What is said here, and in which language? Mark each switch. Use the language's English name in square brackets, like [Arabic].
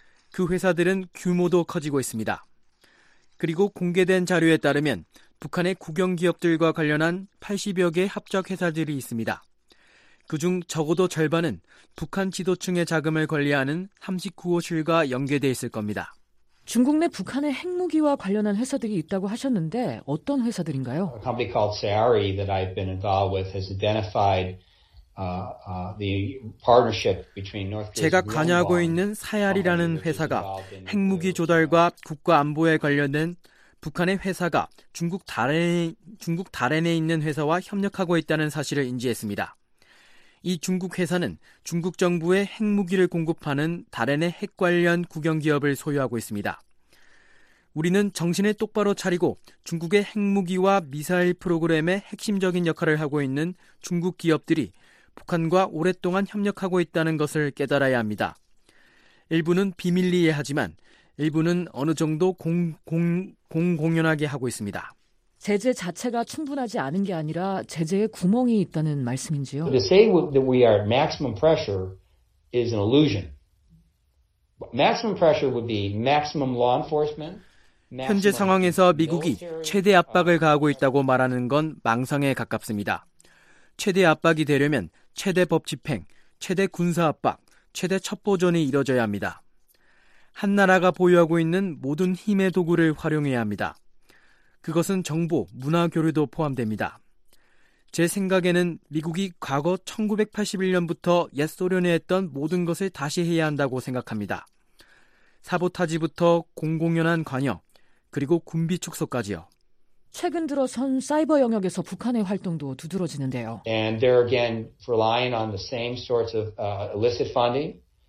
[Korean] 그 회사들은 규모도 커지고 있습니다. 그리고 공개된 자료에 따르면 북한의 국영 기업들과 관련한 80여 개 합작 회사들이 있습니다. 그중 적어도 절반은 북한 지도층의 자금을 관리하는 39호실과 연계되어 있을 겁니다. 중국 내 북한의 핵무기와 관련한 회사들이 있다고 하셨는데 어떤 회사들인가요? [English] A company called Sayari that I've been involved with has identified the partnership between North Korea. [Korean] 제가 관여하고 있는 사야리라는 회사가 핵무기 조달과 국가 안보에 관련된 북한의 회사가 중국 다렌에 있는 회사와 협력하고 있다는 사실을 인지했습니다. 이 중국 회사는 중국 정부에 핵무기를 공급하는 다렌의 핵 관련 국영 기업을 소유하고 있습니다. 우리는 정신을 똑바로 차리고 중국의 핵무기와 미사일 프로그램의 핵심적인 역할을 하고 있는 중국 기업들이 북한과 오랫동안 협력하고 있다는 것을 깨달아야 합니다. 일부는 비밀리에 하지만 일부는 어느 정도 공공연하게 하고 있습니다. 제재 자체가 충분하지 않은 게 아니라 제재에 구멍이 있다는 말씀인지요? [English] To say that we are maximum pressure is an illusion. Maximum pressure would be maximum law enforcement. [Korean] 현재 상황에서 미국이 최대 압박을 가하고 있다고 말하는 건 망상에 가깝습니다. 최대 압박이 되려면 최대 법 집행, 최대 군사 압박, 최대 첩보전이 이뤄져야 합니다. 한 나라가 보유하고 있는 모든 힘의 도구를 활용해야 합니다. 그것은 정보, 문화 교류도 포함됩니다. 제 생각에는 미국이 과거 1981년부터 옛 소련에 했던 모든 것을 다시 해야 한다고 생각합니다. 사보타지부터 공공연한 관여, 그리고 군비 축소까지요. 최근 들어선 사이버 영역에서 북한의 활동도 두드러지는데요. [English] And they're again relying on the same sorts of illicit funding.